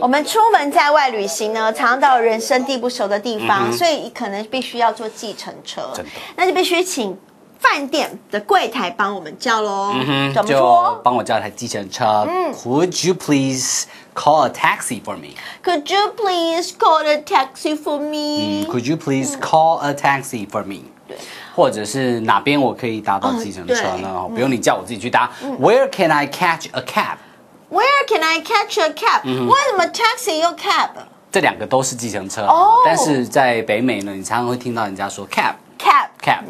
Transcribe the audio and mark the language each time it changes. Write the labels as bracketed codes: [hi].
[zh] 我们出门在外旅行呢，常常到人生地不熟的地方，所以可能必须要坐计程车，那就必须请饭店的柜台帮我们叫咯。怎么说？就帮我叫台计程车。 [en] Could you please call a taxi for me? Could you please call a taxi for me? Could you please call a taxi for me? [zh] 或者是哪边我可以搭到计程车呢？不用你叫，我自己去搭。 [en] Where can I catch a cab? Where can I catch a cab? [zh] 为什么 [en] taxi 又 cab? [zh] 这两个都是计程车，但是在北美呢，你常常会听到人家说 cab。 [en] Cab,